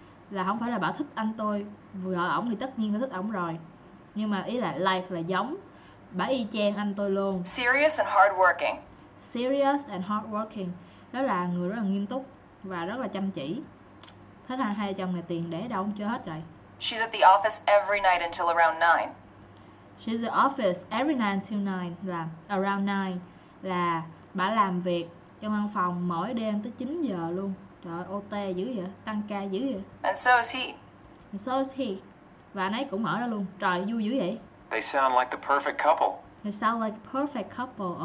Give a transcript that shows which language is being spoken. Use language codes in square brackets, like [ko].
[vi] Là không phải là bà thích anh tôi. Vợ ổng thì tất nhiên là thích ổng rồi. Nhưng mà ý là like là giống. Bà y chang anh tôi luôn. [en] Serious and hardworking. Serious and hardworking. [vi] Đó là người rất là nghiêm túc và rất là chăm chỉ. Thế là hai chồng này tiền để đâu chưa hết rồi. [en] She's at the office every night until around 9. She's at the office every night until 9. Là around 9. [vi] Là bà làm việc trong văn phòng mỗi đêm tới 9 giờ luôn. Trời ơi, OT dữ vậy, tăng ca dữ vậy. [en] And so is he. And so is he. [vi] Và anh ấy cũng ở đó luôn. Trời vui dữ vậy. [en] They sound like the perfect couple. They sound like perfect couple.